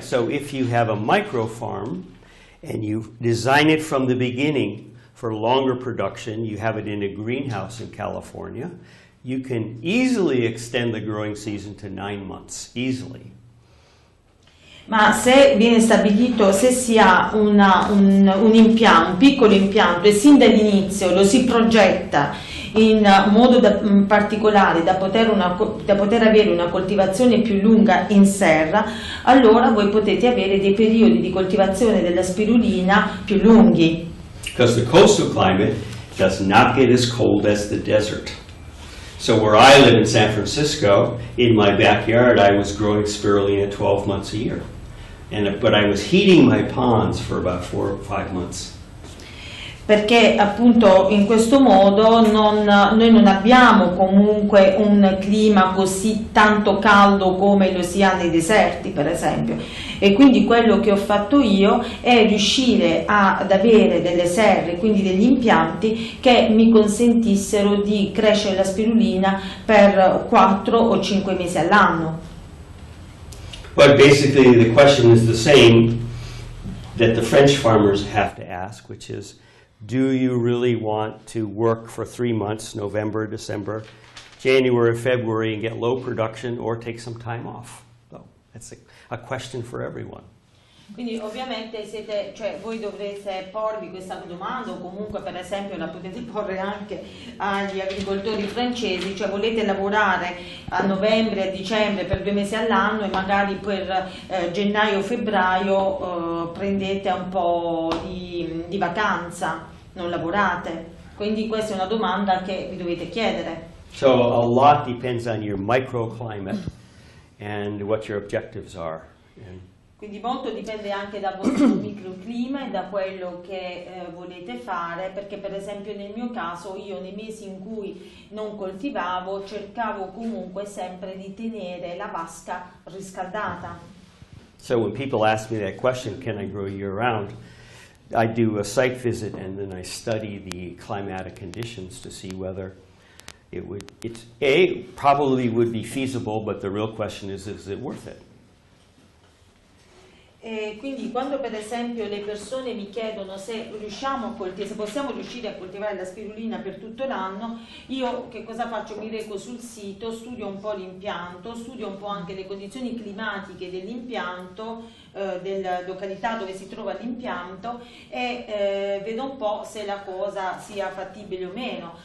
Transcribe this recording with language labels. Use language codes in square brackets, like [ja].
[en] So if you have a micro farm and you design it from the beginning for longer production, you have it in a greenhouse in California, you can easily extend the growing season to 9 months, easily. [it] Ma se viene stabilito, se si ha un piccolo impianto e sin dall'inizio lo si progetta in modo particolare da poter avere una coltivazione più lunga in serra, allora voi potete avere dei periodi di coltivazione della spirulina più lunghi. [en] Because the coastal climate does not get as cold as the desert. So where I live in San Francisco, in my backyard, I was growing spirulina 12 months a year. But I was heating my ponds for about 4 or 5 months. [it] Perché appunto in questo modo noi non abbiamo comunque un clima così tanto caldo come lo si ha nei deserti, per esempio. E quindi quello che ho fatto io è riuscire ad avere delle serre, quindi degli impianti, che mi consentissero di crescere la spirulina per 4 o 5 mesi all'anno. [en] But basically the question is the same that the French farmers have to ask, which is, do you really want to work for 3 months, November, December, January or February and get low production or take some time off. So that's a question for everyone. [it] Quindi ovviamente siete, cioè voi dovrete porvi questa domanda, o comunque per esempio la potete porre anche agli agricoltori francesi, cioè volete lavorare a novembre, a dicembre per due mesi all'anno e magari per gennaio, febbraio prendete un po' di vacanza, non lavorate. Quindi questa è una domanda che vi dovete chiedere. [en] So a lot depends on your microclimate and what your objectives are. [it] Quindi molto dipende anche dal vostro microclima e da quello che volete fare, perché per esempio nel mio caso io nei mesi in cui non coltivavo cercavo comunque sempre di tenere la vasca riscaldata. [en] So when people ask me that question, can I grow year round, I do a site visit and then I study the climatic conditions to see whether it probably would be feasible, but the real question is it worth it? [it] E quindi quando per esempio le persone mi chiedono se possiamo riuscire a coltivare la spirulina per tutto l'anno, io che cosa faccio? Mi reco sul sito, studio un po' l'impianto, studio un po' anche le condizioni climatiche dell'impianto, della località dove si trova l'impianto e vedo un po' se la cosa sia fattibile o meno.